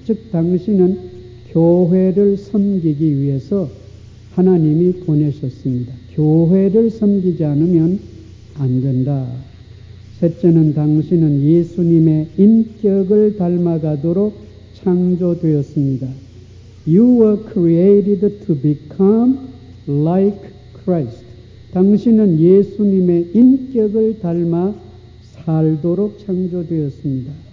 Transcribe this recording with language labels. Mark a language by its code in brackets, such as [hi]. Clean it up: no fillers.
[ko] 즉 당신은 교회를 섬기기 위해서 하나님이 보내셨습니다. 교회를 섬기지 않으면 안 된다. 셋째는 당신은 예수님의 인격을 닮아가도록 창조되었습니다. [en] You were created to become like Christ. [ko] 당신은 예수님의 인격을 닮아 살도록 창조되었습니다.